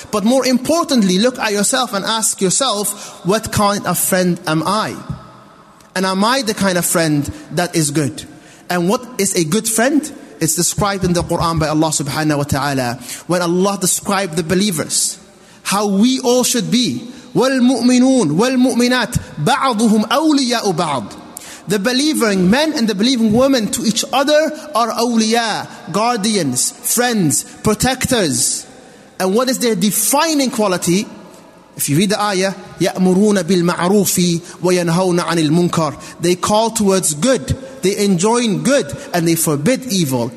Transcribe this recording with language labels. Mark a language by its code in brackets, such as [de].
[en] But more importantly, look at yourself and ask yourself, what kind of friend am I? And am I the kind of friend that is good? And what is a good friend? It's described in the Quran by Allah subhanahu wa ta'ala. When Allah described the believers, how we all should be. [ar] والمؤمنون والمؤمنات بعضهم أولياء بعض. [en] The believing men and the believing women to each other are awliya, guardians, friends, protectors. And what is their defining quality? If you read the ayah, [ar] يَأْمُرُونَ بِالْمَعْرُوفِ وَيَنْهَوْنَ عَنِ الْمُنْكَرِ. [en] They call towards good, they enjoin good, and they forbid evil.